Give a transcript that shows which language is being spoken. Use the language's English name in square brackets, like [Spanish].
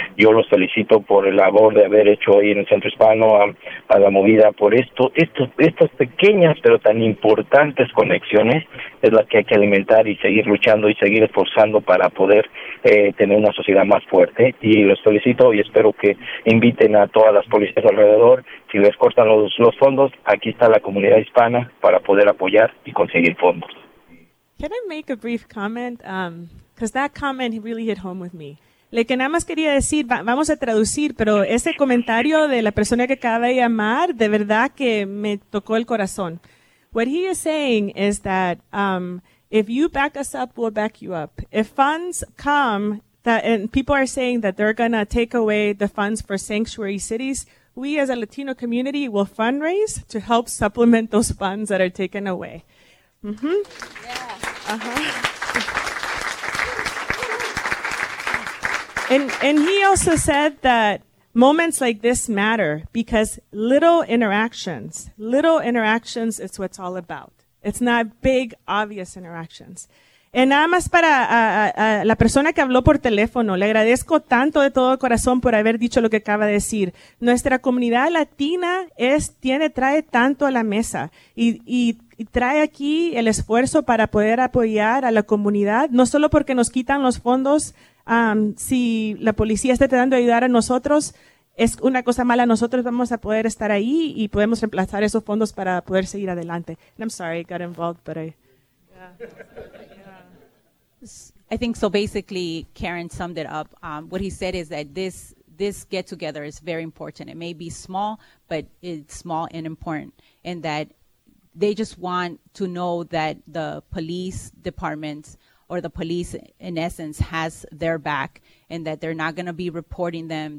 [Spanish] Yo los felicito por el labor de haber hecho hoy en el Centro Hispano a la movida, por estas pequeñas pero tan importantes conexiones es la que hay que alimentar y seguir luchando y seguir esforzando para poder tener una sociedad más fuerte. Y los felicito y espero que inviten a todas las policías alrededor. Si les cortan los fondos, aquí está la comunidad hispana para poder apoyar y conseguir fondos. [English] Can I make a brief comment? Because that comment really hit home with me. [Spanish] Le que nada más quería decir, vamos a traducir, pero ese comentario de la persona que acaba de llamar, de verdad que me tocó el corazón. [English] What he is saying is that if you back us up, we'll back you up. If funds come, that and people are saying that they're going to take away the funds for sanctuary cities, we as a Latino community will fundraise to help supplement those funds that are taken away. Mm-hmm. Yeah. Uh-huh. And he also said that moments like this matter because little interactions is what's all about. It's not big, obvious interactions. [Spanish] Y nada más para la persona que habló por teléfono, le agradezco tanto de todo corazón por haber dicho lo que acaba de decir. Nuestra comunidad latina trae tanto a la mesa y trae aquí el esfuerzo para poder apoyar a la comunidad, no solo porque nos quitan los fondos, si la policía está tratando de ayudar a nosotros, es una cosa mala, nosotros vamos a poder estar ahí y podemos reemplazar esos fondos para poder seguir adelante. [English] And I'm sorry I got involved, but I think so. Basically, Karen summed it up. What he said is that this get together is very important. It may be small, but it's small and important. And that they just want to know that the police department or the police, in essence, has their back, and that they're not going to be reporting them.